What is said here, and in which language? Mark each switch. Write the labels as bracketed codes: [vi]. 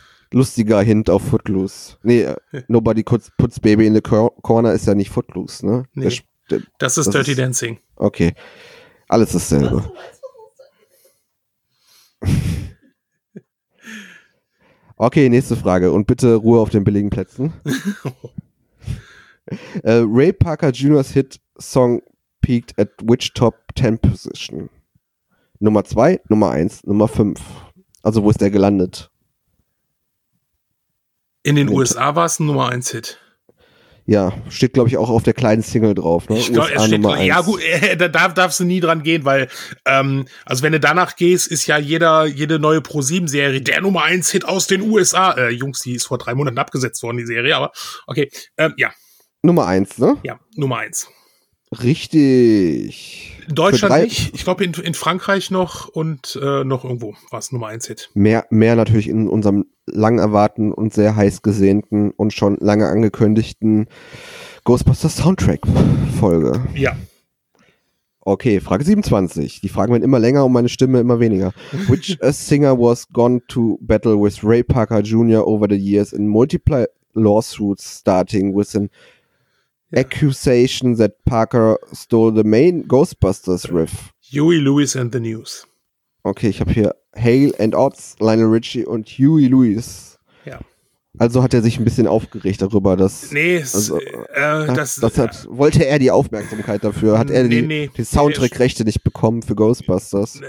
[de] Lustiger Hint auf Footloose. Nee, [en] nobody puts Baby in the corner [de] ist ja nicht Footloose, ne? Nee, das ist Dirty Dancing. Okay, alles dasselbe. Okay, nächste Frage. Und bitte Ruhe auf den billigen Plätzen. [en] Ray Parker Jr.'s Hit-Song peaked at which top 10 position? [de] Nummer 2, Nummer 1, Nummer 5. Also wo ist der gelandet? In den USA war es ein Nummer 1 Hit. Ja, steht glaube ich auch auf der kleinen Single drauf. Ne? Ja gut, da darfst du nie dran gehen, weil also wenn du danach gehst, ist ja jede neue Pro-7-Serie der Nummer 1 Hit aus den USA. Jungs, die ist vor 3 Monaten abgesetzt worden, die Serie, aber okay, ja. Nummer 1, ne? Ja, Nummer 1. Richtig. Deutschland nicht, ich glaube in Frankreich noch und noch irgendwo war es Nummer 1 Hit. Mehr natürlich in unserem lang erwarten und sehr heiß gesehnten und schon lange angekündigten Ghostbusters Soundtrack-Folge. Ja. Okay, Frage 27. Die Fragen werden immer länger und meine Stimme immer weniger. [en] Which a singer was gone to battle with Ray Parker Jr. over the years in multiple lawsuits starting with an accusation that Parker stole the main Ghostbusters riff. [de] Huey Lewis and the News. Okay, ich habe hier Hale and Oates, Lionel Richie und Huey Lewis. Ja. Also hat er sich ein bisschen aufgeregt darüber, dass... Nee, also, wollte er die Aufmerksamkeit dafür? Hat er die Soundtrack-Rechte nicht bekommen für Ghostbusters?